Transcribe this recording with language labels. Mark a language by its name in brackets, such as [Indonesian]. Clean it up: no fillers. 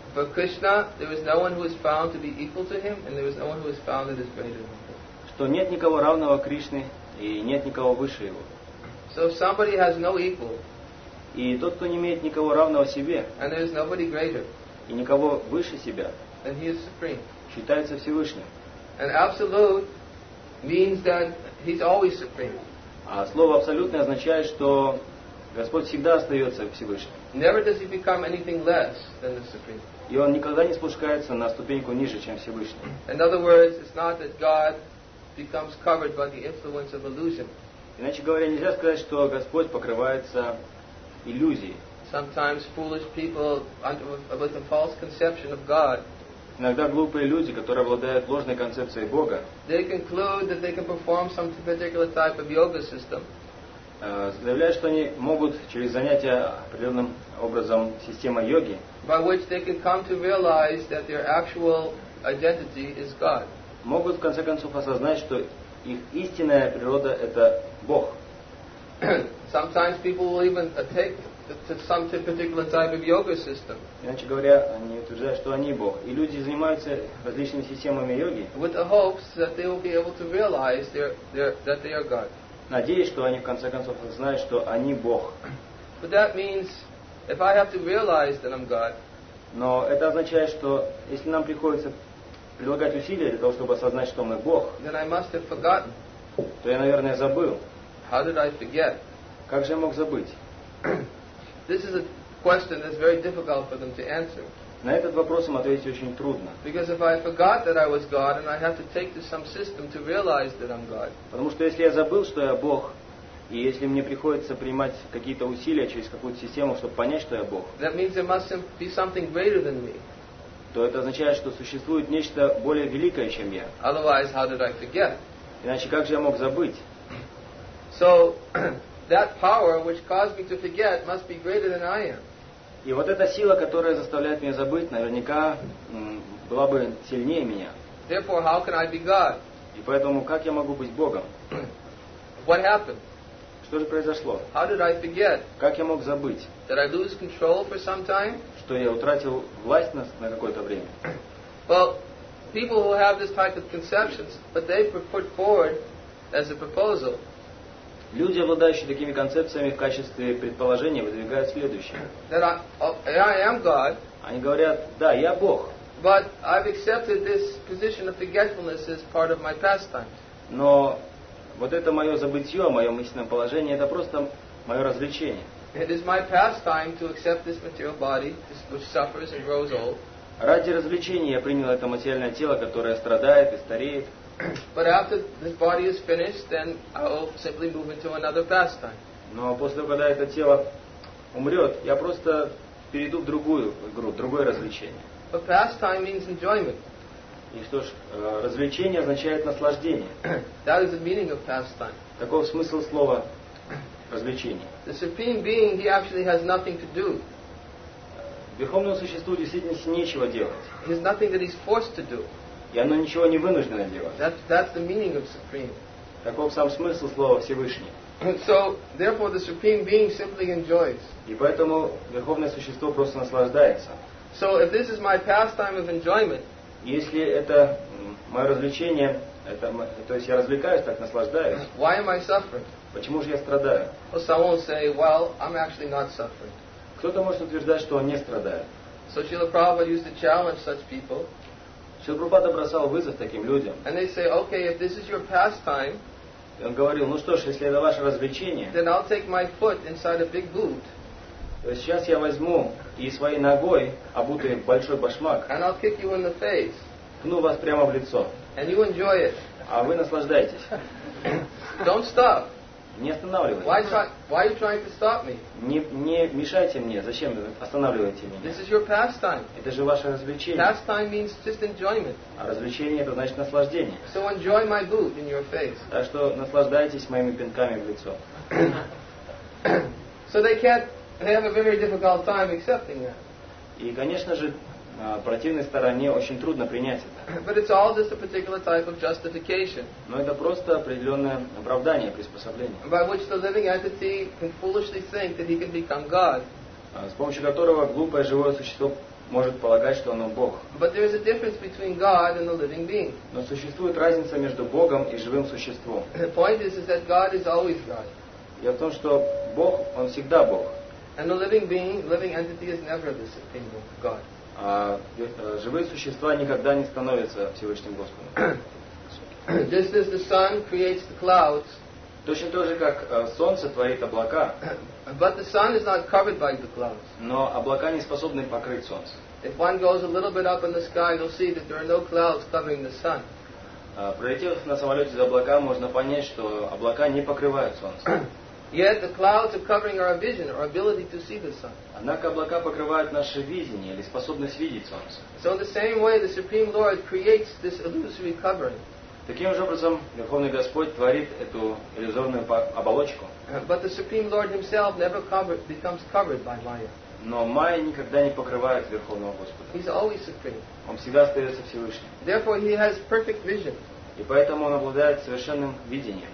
[English] For Krishna, there is no one who is found to be equal to him, and there is no one who is found that is greater than him. [Russian] Что нет никого равного Кришне и нет никого выше его. [English] So if somebody has no equal, [Russian] и тот, кто не имеет никого равного себе, [English] and there is nobody greater, [Russian] и никого выше себя, [English] then he is supreme. [Russian] Считается Всевышним. [English] And absolute means that he's always supreme. [Russian] А слово абсолютное означает, что Господь всегда остается Всевышним. [English] Never does he become anything less than the Supreme. [Russian] И он никогда не спускается на ступеньку ниже, чем Всевышний. [English] In other words, it's not that God becomes covered by the influence of illusion. [Russian] Иначе говоря, нельзя сказать, что Господь покрывается иллюзией. [English] Sometimes foolish people with a false conception of God. [Russian] Иногда глупые люди, которые обладают ложной концепцией Бога, [English] they conclude that they can perform some particular type of yoga system. [Russian] Заявляют, что они могут через занятия определенным образом системой йоги, [English] by which they can come to realize that their actual identity is God. [Russian] Могут в конце концов осознать, что их истинная природа это Бог. [English] Sometimes people will even take to some particular type of yoga system. [Russian] Иначе говоря, они утверждают, что они Бог, и люди занимаются различными системами йоги, [English] with the hopes that they will be able to realize that they are God. [Russian] Надеюсь, что они в конце концов знают, что они Бог. [English] But that means, if I have to realize that I'm God. [Russian] Но это означает, что если нам приходится прилагать усилия для того, чтобы осознать, что мы Бог, [English] then I must have forgotten. [Russian] То я, наверное, забыл. [English] How did I forget? [Russian] Как же я мог забыть? [English] This is a question that's very difficult for them to answer. [Russian] На этот вопрос им ответить очень трудно. [English] Because if I forgot that I was God and I have to take to some system to realize that I'm God. [Russian] Потому что если я забыл, что я Бог, и если мне приходится принимать какие-то усилия через какую-то систему, чтобы понять, что я Бог. [English] That means there must be something greater than me. [Russian] То это означает, что существует нечто более великое, чем я. [English] Otherwise, how did I forget? [Russian] Иначе как же я мог забыть? [English] So that power which caused me to forget must be greater than I am. [Russian] И вот эта сила, которая заставляет меня забыть, наверняка была бы сильнее меня. [English] Therefore, how can I be God? [Russian] И поэтому, как я могу быть Богом? [English] What happened? [Russian] Что же произошло? [English] How did I forget? [Russian] Как я мог забыть? [English] Did I lose control for some time? [Russian] Что я утратил власть на какое-то время? [English] Well, people who have this type of conceptions, but they put forward as a proposal. [Russian] Люди, обладающие такими концепциями в качестве предположения, выдвигают следующее. [English] That I am God. [Russian] Они говорят: да, я Бог. [English] But I've accepted this position of forgetfulness as part of my pastime. [Russian] Но вот это мое забытье, мое мысленное положение, это просто мое развлечение. [English] It is my pastime to accept this material body, which suffers and grows old. [Russian] Ради развлечения я принял это материальное тело, которое страдает и стареет. [English] But after this body is finished, then I will simply move into another pastime. [Russian] Но после того, когда это тело умрет, я просто перейду в другую игру, другое развлечение. [English] But pastime means enjoyment. [Russian] И что ж, развлечение означает наслаждение. [English] That is the meaning of pastime. [Russian] Таков смысл слова развлечение. [English] The supreme being, he actually has nothing to do. [Russian] Верховному существу действительно нечего делать. [English] He has nothing that he's forced to do. [Russian] И оно ничего не вынуждено делать. [English] That's the meaning of supreme. [Russian] Таков сам смысл слова Всевышний. [English] So, therefore, the supreme being simply enjoys. [Russian] И поэтому Верховное Существо просто наслаждается. [English] So, if this is my pastime of enjoyment, [Russian] если это мое развлечение, то есть я развлекаюсь, так наслаждаюсь, [English] why am I suffering? [Russian] Почему же я страдаю? [English] Well, someone will say, well, I'm actually not suffering. [Russian] Кто-то может утверждать, что он не страдает. [English] So, Srila Prabhupada used to challenge such people. [Russian] Шрила Прабхупада бросал вызов таким людям. [English] And they say, okay, if this is your pastime, [Russian] он говорил, ну что ж, если это ваше развлечение, [English] then I'll take my foot inside a big boot. [Russian] То есть сейчас я возьму и своей ногой, обутый в большой башмак, [English] and I'll kick you in the face. [Russian] Пну вас прямо в лицо. [English] And you enjoy it. [Russian] А вы наслаждаетесь. [English] Don't stop. [Russian] Не останавливайтесь. [English] Why are you trying to stop me? [Russian] Не мешайте мне. Зачем останавливаете меня? [English] This is your pastime. [Russian] Это же ваше развлечение. [English] Pastime means just enjoyment. [Russian] А развлечение это значит наслаждение. [English] So enjoy my boot in your face. [Russian] Так что наслаждайтесь моими пинками в лицо. [English] So they have a very difficult time accepting that. [Russian] И, конечно же, противной стороне очень трудно принять это. [English] But it's all just a particular type of justification. [Russian] Но это просто определенное оправдание, приспособление. [English] By which the living entity can foolishly think that he can become God. [Russian] С помощью которого глупое живое существо может полагать, что оно Бог. [English] But there is a difference between God and the living being. [Russian] Но существует разница между Богом и живым существом. [English] The point is that God is always God. [Russian] Дело в том, что Бог, он всегда Бог. [English] And the living being, living entity is never the supreme God. [Russian] А живые существа никогда не становятся Всевышним Господом. [English] Just as the sun creates the clouds. [Russian] Точно так же, как солнце творит облака. [English] But the sun is not covered by the clouds. [Russian] Но облака не способны покрыть солнце. [English] If one goes a little bit up in the sky, you'll see that there are no clouds covering the sun. [Russian] Пролетев на самолете за облака, можно понять, что облака не покрывают солнце. [English] Yet the clouds are covering our vision, our ability to see the sun. [Russian] Однако облака покрывают наше видение или способность видеть солнце. [English] So in the same way, the Supreme Lord creates this illusory covering. [Russian] Таким же образом, Верховный Господь творит эту иллюзорную оболочку. [English] But the Supreme Lord Himself never becomes covered by Maya. [Russian] Но Майя никогда не покрывает Верховного Господа. [English] He's always supreme. [Russian] Он всегда остается Всевышним. [English] Therefore, He has perfect vision. [Russian] И поэтому он обладает совершенным видением.